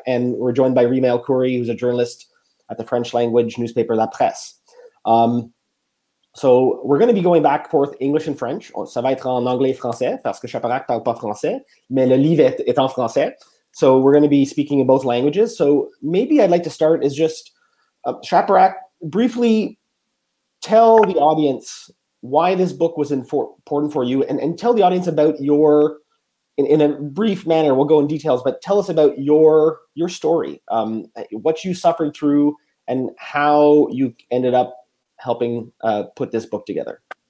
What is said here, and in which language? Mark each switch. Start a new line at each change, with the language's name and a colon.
English: And we're joined by Rima El-Khoury, who's a journalist at the French language newspaper La Presse. So we're going to be going back and forth English and French.
French: Ça va être en anglais-français, parce que Chaparak parle pas français, mais le livre est en français.
English: So we're going to be speaking in both languages. So maybe I'd like to start is just, Chaparak, briefly tell the audience why this book was important for you, and tell the audience about your, in a brief manner, we'll go in details, but tell us about your story, what you suffered through, and how you ended up helping put this book together.